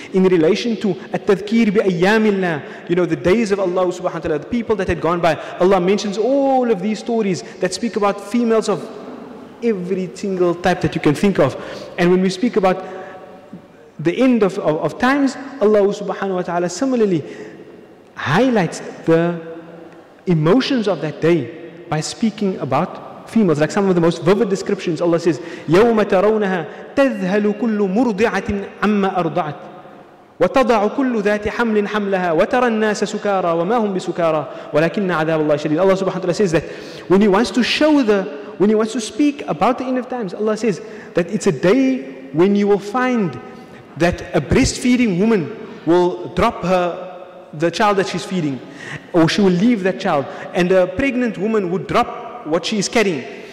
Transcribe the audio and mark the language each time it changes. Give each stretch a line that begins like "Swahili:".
English: In relation to at-tadhkir bi ayyamillah, you know, the days of Allah subhanahu wa ta'ala, the people that had gone by, Allah mentions all of these stories that speak about females of every single type that you can think of. And when we speak about the end of times, Allah subhanahu wa ta'ala similarly highlights the emotions of that day by speaking about females. Like some of the most vivid descriptions, Allah says,
Arabic: يَوْمَ تَرَوْنَهَا تَذْهَلُ كُلُّ مُرْضِعَةٍ عَمَّا أَرْضَعَتْ وَتَضَعُ كُلُّ ذَاتِ حَمْلٍ حَمْلَهَا وَتَرَى النَّاسَ سُكَارَى وَمَا هُمْ بِسُكَارَى وَلَكِنَّ عَذَابَ اللَّهِ شَدِيدٌ.
English: Allah subhanahu wa ta'ala says that when He wants to show when He wants to speak about the end of times, Allah says that it's a day when you will find that a breastfeeding woman will drop the child that she's feeding, or she will leave that child, and a pregnant woman would drop what she is carrying.